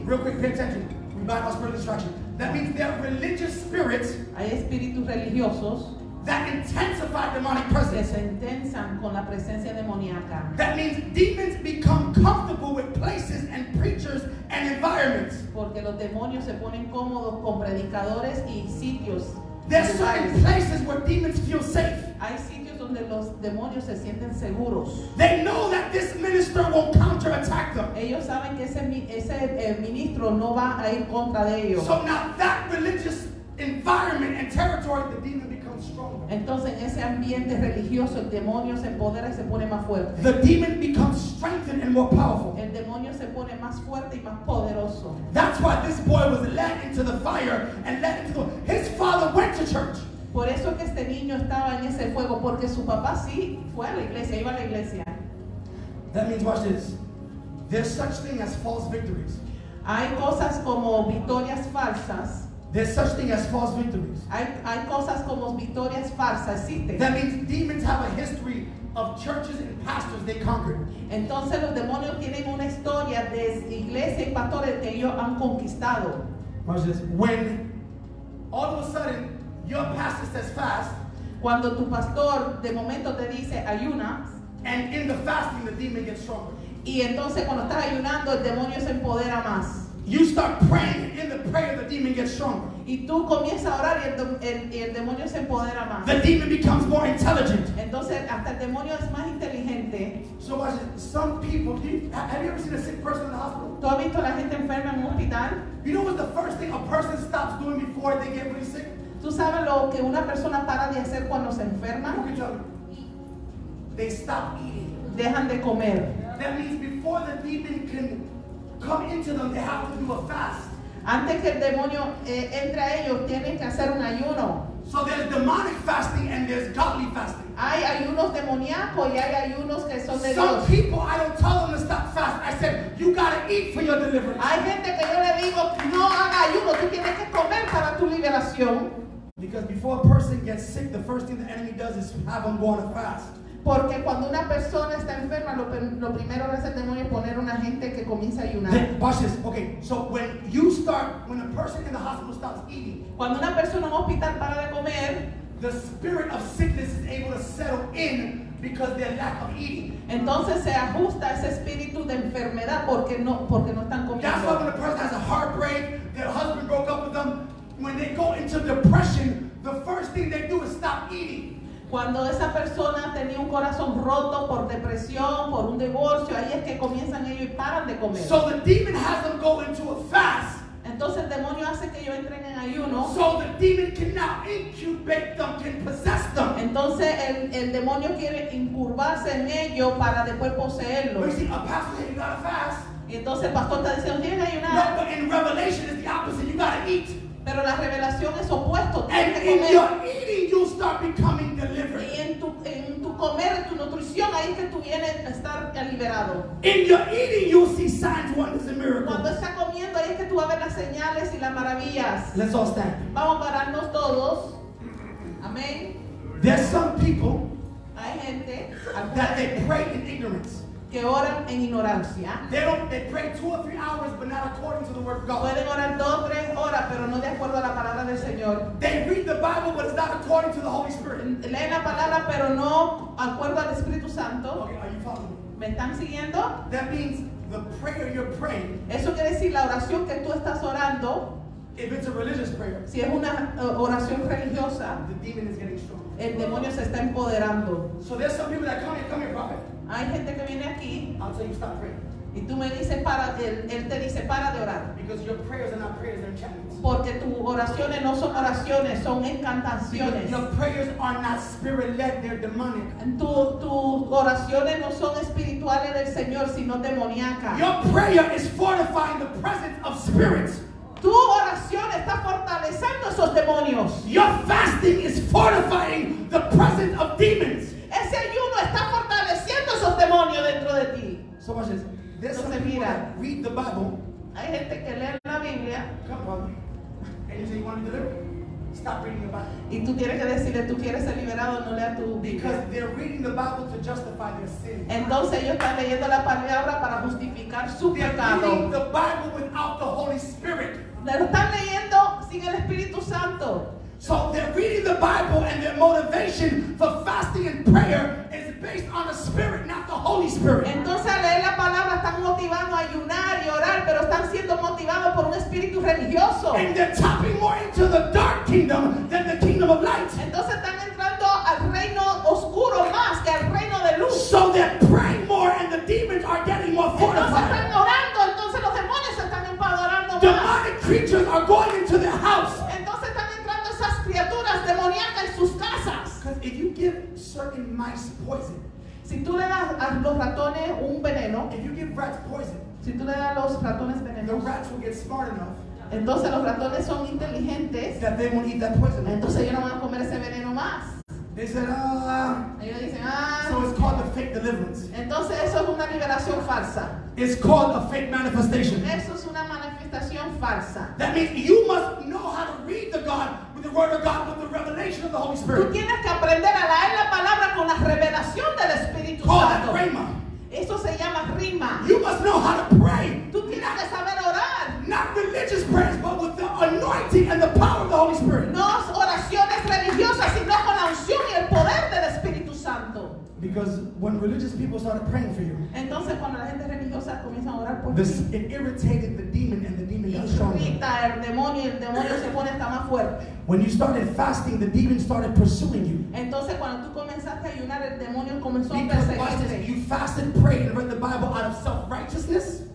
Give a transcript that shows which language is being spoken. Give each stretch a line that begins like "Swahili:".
English: Real quick, pay attention. We bind all spiritual destruction. That means there are religious spirits.
Spanish: Hay espíritus religiosos.
English: That intensify demonic presence.
Spanish: Que se intensan con la presencia demoníaca.
English: That means demons become comfortable with places and preachers and environments.
Spanish: Porque los demonios se ponen cómodos con predicadores y sitios.
English: There's certain places where demons feel safe.
Spanish: Hay sitios donde los demonios se sienten seguros.
English: They know that this minister will counterattack them.
Spanish: Ellos saben que ese ministro no va a ir contra de ellos.
English: So now that religious environment and territory, the demon becomes stronger.
Spanish: Entonces ese ambiente religioso, el demonio se empodera y se pone más fuerte.
English: The demon becomes strengthened and more powerful.
Spanish: El demonio se pone más fuerte y más poderoso.
English: That's why this boy was led into the fire and led into the. His father went to church.
Spanish: Por eso que este niño estaba en ese fuego, porque su papá sí fue a la iglesia, iba a la iglesia.
English: That means, watch this. There's such thing as false victories.
Spanish: Hay cosas como victorias falsas.
English: There's such thing as false victories.
Spanish: Hay cosas como victorias falsas, existen.
English: That means demons have a history of churches and pastors they conquered.
Spanish: Entonces los demonios tienen una historia de iglesias y pastores que ellos han conquistado.
English: Watch this. When all of a sudden your pastor says fast.
Spanish: Cuando tu pastor de momento te dice ayuna.
English: And in the fasting the demon gets stronger.
Spanish: Y entonces cuando estás ayunando el demonio se empodera más.
English: You start praying in the prayer the demon gets stronger.
Spanish: Y tú comienzas a orar y el demonio se empodera más.
English: The demon becomes more intelligent.
Spanish: Entonces hasta el demonio es más inteligente.
English: So watch it. Some people, have you ever seen a sick person in the hospital?
Spanish: ¿Tú has visto a la gente enferma en un hospital?
English: You know what's the first thing a person stops doing before they get really sick?
Spanish: ¿Tú sabes lo que una persona para de hacer cuando se enferma?
English: They stop eating.
Spanish: Dejan de comer.
English: That means before the demon can come into them, they have to do a fast.
Spanish: Antes que el demonio entre a ellos, tienen que hacer un ayuno.
English: So there's demonic fasting and there's godly fasting.
Spanish: Hay ayunos demoníacos y hay ayunos que son de Dios.
English: Some people, I don't tell them to stop fast. I said, you gotta eat for your deliverance.
Spanish: Hay gente que yo le digo, no haga ayuno, tú tienes que comer para tu liberación.
English: Because before a person gets sick, the first thing the enemy does is have them go on a fast.
Spanish: Porque cuando una persona está enferma, lo primero que hace el demonio es poner una gente que comienza a ayunar.
English: Bushes. Okay. So when you start, when a person in the hospital stops eating,
Spanish: cuando una persona en un hospital para de comer,
English: the spirit of sickness is able to settle in because they're lack of eating.
Spanish: Entonces se ajusta ese espíritu de enfermedad porque no están comiendo.
English: That's why when a person has a heartbreak, their husband broke up with them, when they go into depression, the first thing they do is stop eating.
Spanish: Cuando esa persona tenía un corazón roto por depresión, por un divorcio, ahí es que comienzan ellos y paran de comer.
English: So the demon has them go into a fast.
Spanish: Entonces el demonio hace que ellos entren en ayuno.
English: So the demon can now incubate them, can possess them.
Spanish: Entonces el demonio quiere incubarse en ellos para después poseerlos.
English: You see, a pastor, you gotta fast.
Spanish: Y entonces el pastor está diciendo, tienes que ayunar.
English: No, but in Revelation it's the opposite, you gotta eat.
Spanish: Pero la revelación es opuesto.
English: And
Spanish: que
English: in
Spanish: comer.
English: Your eating, you start becoming delivered.
Spanish: Y en tu comer, en tu nutrición, ahí es que tú vienes a estar liberado.
English: In your eating, you see signs, wonders, and miracles.
Spanish: Cuando está comiendo, ahí es que tú vas a ver las señales y las maravillas.
English: Let's all stand.
Spanish: Vamos a pararnos todos. Amén.
English: There's some people.
Spanish: Hay gente.
English: That they pray in ignorance.
Spanish: Que oran en ignorancia.
English: They pray 2 or 3 hours, but not according to the word of God.
Spanish: Pueden orar 2 o 3 horas, pero no de acuerdo a la palabra del Señor.
English: They read the Bible, but it's not according to the Holy Spirit.
Spanish: Leen la palabra, pero no acuerdo al Espíritu Santo.
English: Okay, are you following me?
Spanish: ¿Me están siguiendo?
English: That means the prayer you're praying.
Spanish: Eso quiere decir la oración que tú estás orando.
English: If it's a religious prayer.
Spanish: Si es una oración religiosa.
English: The demon is getting stronger.
Spanish: El demonio se está empoderando.
English: So there's some people that come here, prophet.
Spanish: Hay gente que viene aquí.
English: I'll tell you, stop praying.
Spanish: Y tú me dices para, él te dice para de orar.
English: Because your prayers are not prayers, they're chants.
Spanish: Porque tus oraciones no son oraciones, son encantaciones.
English: Because your prayers are not spirit-led, they're demonic.
Spanish: Tus oraciones no son espirituales del Señor, sino demoníacas.
English: Your prayer is fortifying the presence of spirits.
Spanish: Tu oración está fortaleciendo esos demonios.
English: Your fasting is fortifying the presence of demons.
Spanish: Ese ayuno está fortaleciendo esos demonios dentro de ti.
English: So much as this is mira. Read the Bible.
Spanish: Hay gente que lee la Biblia.
English: Come on. And you say you want to deliver? Stop reading the Bible.
Spanish: Y tú tienes que decirle tú quieres ser liberado, no lea tu Biblia.
English: Because they're reading the Bible to justify their sin.
Spanish: Entonces ellos están leyendo la palabra para justificar su
English: they're
Spanish: pecado.
English: They're reading the Bible without the Holy Spirit.
Spanish: Pero están leyendo sin el Espíritu Santo.
English: So they're reading the Bible and their motivation for fasting and prayer is based on the Spirit, not the Holy Spirit.
Spanish: Entonces al leer la palabra están motivando a ayunar y orar, pero están siendo motivados por un espíritu religioso.
English: And they're tapping more into the dark kingdom than the kingdom of light.
Spanish: Entonces están entrando al reino oscuro más que al reino de luz.
English: So they're praying more and the demons are getting more fortified.
Spanish: Entonces están orando, entonces los demonios están empoderando más.
English: Demonic creatures are going into their house.
Spanish: Criaturas demoníacas en sus casas.
English: Because if you give certain mice poison,
Spanish: si tú le das a los ratones un veneno,
English: if you give rats poison,
Spanish: si tú le das a los ratones veneno,
English: the rats will get smart enough.
Spanish: Entonces los ratones son inteligentes.
English: That they won't eat that poison.
Spanish: Entonces ellos no van a comer ese veneno más.
English: They said,
Spanish: ellos dicen,
English: So it's called a fake deliverance.
Spanish: Entonces eso es una liberación falsa.
English: It's called a fake manifestation.
Spanish: Eso es una manifestación falsa.
English: That means you must know how to read the God. The word of God with the revelation of the Holy Spirit.
Spanish: Tú tienes que aprender a leer la palabra con la revelación del Espíritu
English: Call
Spanish: Santo.
English: That rhema.
Spanish: Eso se llama rhema.
English: You must know how to pray.
Spanish: Tú tienes que saber orar.
English: Not religious prayers, but with the anointing and the power of the Holy Spirit.
Spanish: No oraciones religiosas, sino con la unción y el poder del Espíritu Santo.
English: Because when religious people started praying for you,
Spanish: entonces cuando la gente religiosa comienza a orar por ti,
English: this it irritated the demon and the demon got stronger.
Spanish: Irrita el demonio se pone hasta más fuerte.
English: When you started fasting, the demon started pursuing you.
Spanish: Entonces cuando tú comenzaste a ayunar, el demonio comenzó a perseguirte.
English: Because
Spanish: perseguir.
English: You fasted, prayed, and read the Bible out of self righteousness.